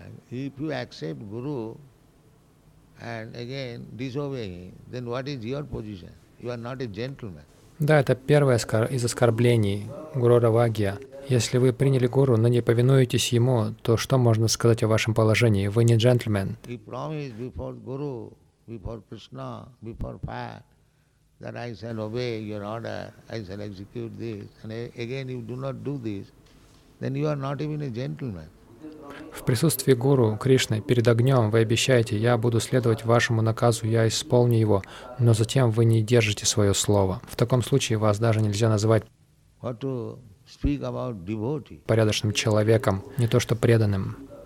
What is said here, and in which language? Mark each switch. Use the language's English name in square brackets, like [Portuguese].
[English] If you accept Guru and again disobey him, then what is your position? You are not a gentleman. [Russian] Да, это первое из оскорблений Гуру Равагья. Если вы приняли Гуру, но не повинуетесь ему, то что можно сказать о вашем положении? Вы не джентльмен. [English] He promised before Guru, before Krishna, before Pat, that I shall obey your order, I shall execute this. And again, you do not do this, then you are not even a gentleman. [Russian] В присутствии Гуру Кришны перед огнем вы обещаете, я буду следовать вашему наказу, я исполню его, но затем вы не держите свое слово. В таком случае вас даже нельзя называть порядочным человеком, не то что преданным.